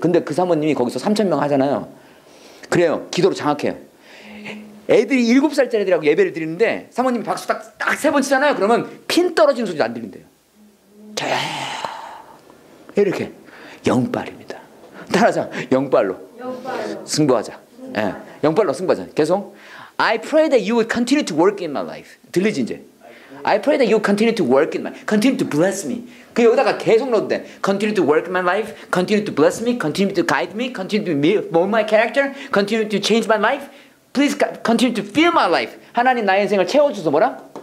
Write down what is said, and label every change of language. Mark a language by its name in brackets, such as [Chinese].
[Korean] 근데 그 사모님이 거기서 3,000명 하잖아요. 그래요. 기도로 장악해요. 애들이 7살짜리 애들하고 예배를 드리는데 사모님이 박수 딱 세 번 치잖아요. 그러면 핀 떨어지는 소리도 안 들린대요. 조용히 이렇게 영빨입니다. 따라하자. 영빨로 승부하자. 예, 영빨로 승부하자. 계속 [English] I pray that you would continue to work in my life. [Korean] 들리지 이제? [English] I pray that you continue to work in my life. Continue to bless me. [Korean] 그 여기다가 계속 넣어도 돼. [English] Continue to work in my life. Continue to bless me. Continue to guide me. Continue to mold my character. Continue to change my life. Please continue to fill my life. [Korean] 하나님 나의 인생을 채워주소 뭐라?